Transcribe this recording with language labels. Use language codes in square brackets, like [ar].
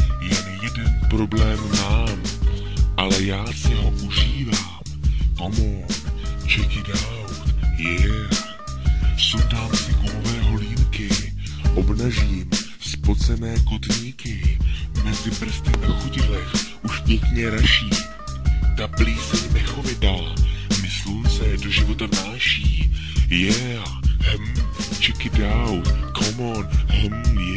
[cs] Jen jeden problém mám, ale já si ho užívám. [en] Come on, check it out, yeah. [cs] Sundám si gumové holínky, obnažím spocené kotníky. Mezi prsty na chodidlech už pěkně raší. Ta plíseň mechovidá, mi slunce do života vnáší. [en] Yeah, check it out, come on, yeah.